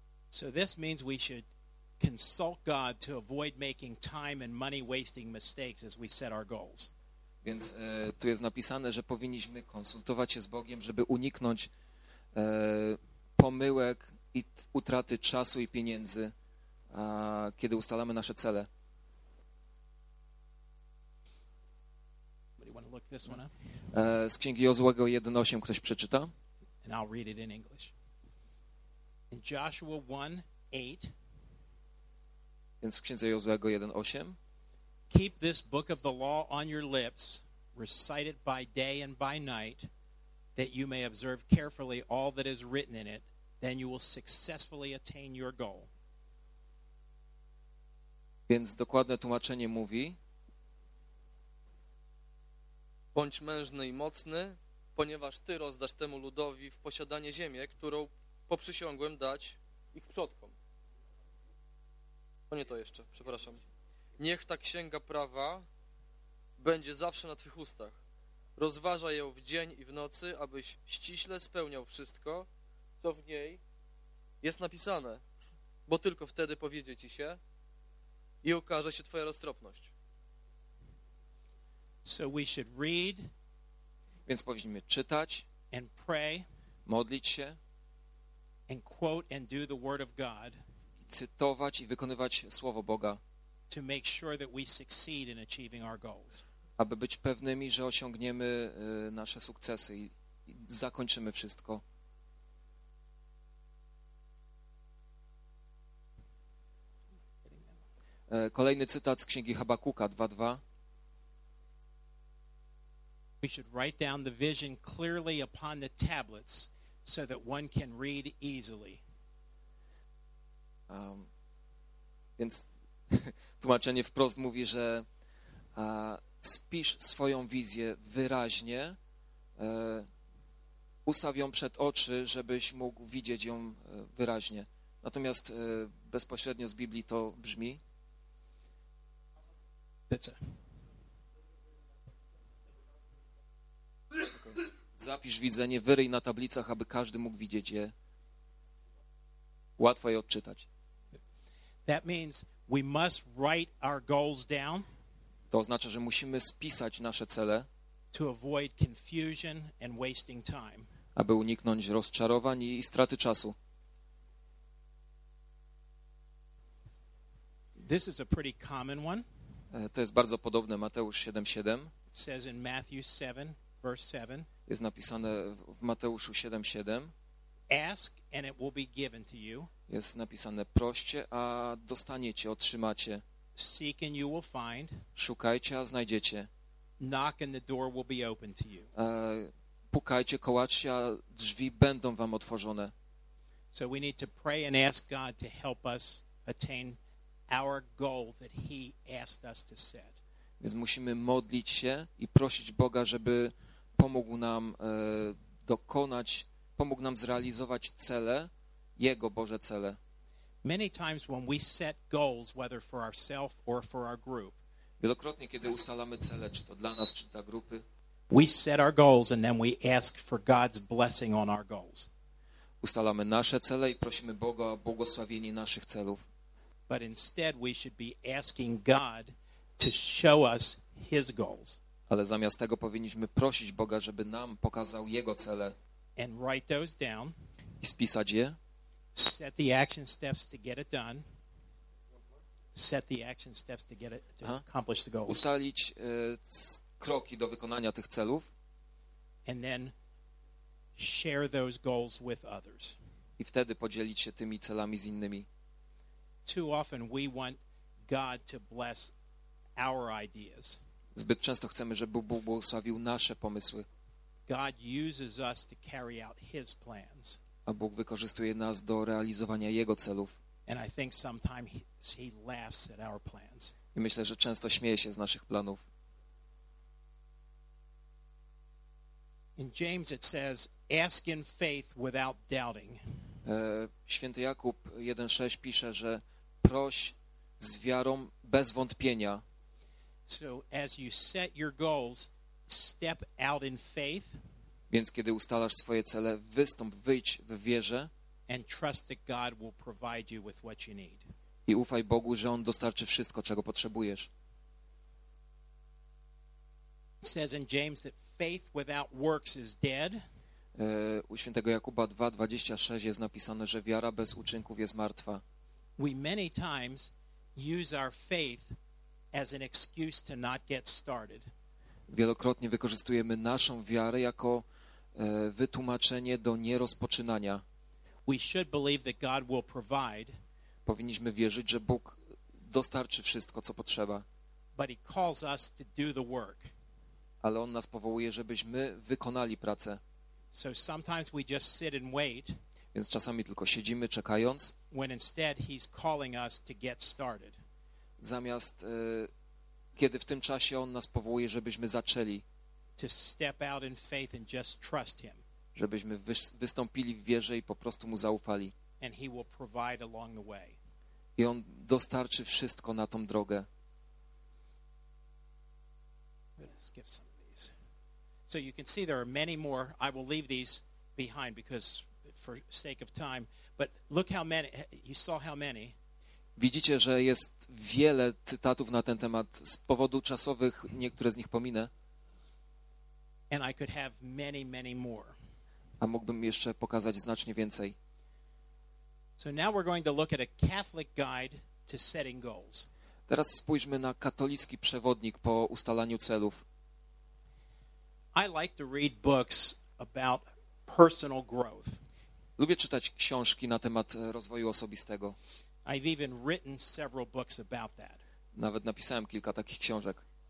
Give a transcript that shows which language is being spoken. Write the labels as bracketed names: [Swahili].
[English] So this means we should consult God to avoid making time and money wasting mistakes as we set our goals. [Polish] Więc tu jest napisane, że powinniśmy konsultować się z Bogiem, żeby uniknąć pomyłek i utraty czasu i pieniędzy, kiedy ustalamy nasze cele. [English] But you want to look this one up? [Polish] Z Księgi Jozuego 1:8 ktoś przeczyta? [English] And I'll read it in English. In Joshua 1:8. [Polish] Więc w Księdze Jozuego 1:8. [English] Keep this book of the law on your lips, recite it by day and by night, that you may observe carefully all that is written in it, then you will successfully attain your goal. [Polish] Więc dokładne tłumaczenie mówi: bądź mężny i mocny, ponieważ ty rozdasz temu ludowi w posiadanie ziemię, którą poprzysiągłem dać ich przodkom. O nie to jeszcze, przepraszam. Niech ta księga prawa będzie zawsze na twych ustach. Rozważaj ją w dzień i w nocy, abyś ściśle spełniał wszystko, co w niej jest napisane, bo tylko wtedy powiedzie ci się i okaże się twoja roztropność. [English] So we should read, [Polish] więc powinniśmy czytać, [English] and pray, [Polish] modlić się, [English] and quote and do the word of God, [Polish] i cytować i wykonywać słowo Boga, [English] to make sure that we succeed in achieving our goals. [Polish] Aby być pewnymi, że osiągniemy nasze sukcesy i zakończymy wszystko. Kolejny cytat z księgi Habakuka 2:2. [English] We should write down the vision clearly upon the tablets so that one can read easily. [Polish] Więc tłumaczenie wprost mówi, że spisz swoją wizję wyraźnie, ustaw ją przed oczy, żebyś mógł widzieć ją wyraźnie. Natomiast bezpośrednio z Biblii to brzmi. Zapisz widzenie, wyryj na tablicach, aby każdy mógł widzieć je. Łatwo je odczytać. [English] That means we must write our goals down. [Polish] To oznacza, że musimy spisać nasze cele, [English] to avoid confusion and wasting time. [Polish] Aby uniknąć rozczarowań i straty czasu. [English] This is a pretty common one. [Polish] To jest bardzo podobne, Mateusz 7:7. [English] It says in Matthew 7, verse 7. [Polish] Jest napisane w Mateuszu 7:7. [English] Ask and it will be given to you. [Polish] Jest napisane, proście, a dostaniecie, otrzymacie. [English] Seek and you will find. [Polish] Szukajcie, a znajdziecie. [English] Knock and the door will be open to you. [Polish] Pukajcie, kołaczcie, a drzwi będą wam otworzone. [English] So we need to pray and ask God to help us attain our goal that he asked us to set. [Polish] Więc musimy modlić się i prosić Boga, żeby pomógł nam dokonać, pomógł nam zrealizować cele, jego Boże cele. [English] Many times when we set goals, whether for ourselves or for our group, [Polish] wielokrotnie kiedy ustalamy cele, czy to dla nas, czy dla grupy, [English] we set our goals and then we ask for God's blessing on our goals. [Polish] Ustalamy nasze cele i prosimy Boga o błogosławienie naszych celów. [English] But instead we should be asking God to show us his goals. [Polish] Ale zamiast tego powinniśmy prosić Boga, żeby nam pokazał jego cele. [English] And write those down. [Polish] I spisać je. [English] Set the action steps to get it done. Set the action steps to get it to accomplish the goals. [Polish] Ustalić kroki do wykonania tych celów. [English] And then share those goals with others. [Polish] I wtedy podzielić się tymi celami z innymi. [English] Too often we want God to bless our ideas. [Polish] Zbyt często chcemy, żeby Bóg błogosławił nasze pomysły. [English] God uses us to carry out his plans. [Polish] A Bóg wykorzystuje nas do realizowania jego celów. [English] And I think sometimes he laughs at our plans. [Polish] I myślę, że często śmieje się z naszych planów. [English] In James it says, ask in faith without doubting. [Polish] Święty Jakub 1:6 pisze, że proś z wiarą bez wątpienia. [English] So as you set your goals, step out in faith. [Polish] Więc kiedy ustalasz swoje cele, wystąp, wyjdź w wierze. [English] And trust that God will provide you with what you need. [Polish] I ufaj Bogu, że on dostarczy wszystko, czego potrzebujesz. [English] It says in James that faith without works is dead. [Polish] U świętego Jakuba 2:26 jest napisane, że wiara bez uczynków jest martwa. [English] We many times use our faith as an excuse to not get started. [Polish] Wielokrotnie wykorzystujemy naszą wiarę jako wytłumaczenie do nierozpoczynania. [English] We should believe that God will provide. [Polish] Powinniśmy wierzyć, że Bóg dostarczy wszystko, co potrzeba. [English] But he calls us to do the work. [Polish] Ale on nas powołuje, żebyśmy wykonali pracę. [English] So sometimes we just sit and wait. [Polish] Więc czasami tylko siedzimy, czekając. [English] When instead he's calling us to get started. [Polish] Zamiast kiedy w tym czasie on nas powołuje, żebyśmy zaczęli. [English] To step out in faith and just trust him. [Polish] Żebyśmy wystąpili w wierze i po prostu mu zaufali. [English] And he will provide along the way. [Polish] I on dostarczy wszystko na tą drogę. [English] Let's give some of these. So you can see there are many more. I will leave these behind because for sake of time, but look how many, you saw how many. [Polish] Widzicie, że jest wiele cytatów na ten temat. Z powodu czasowych niektóre z nich pominę. [English] And I could have many, many more. [Polish] A mógłbym jeszcze pokazać znacznie więcej. [English] So now we're going to look at a Catholic guide to setting goals. [Polish] Teraz spójrzmy na katolicki przewodnik po ustalaniu celów. [English] I like to read books about personal growth. [Polish] Lubię czytać książki na temat rozwoju osobistego. [English] I've even written several books about that. [Polish] Nawet napisałem kilka takich książek.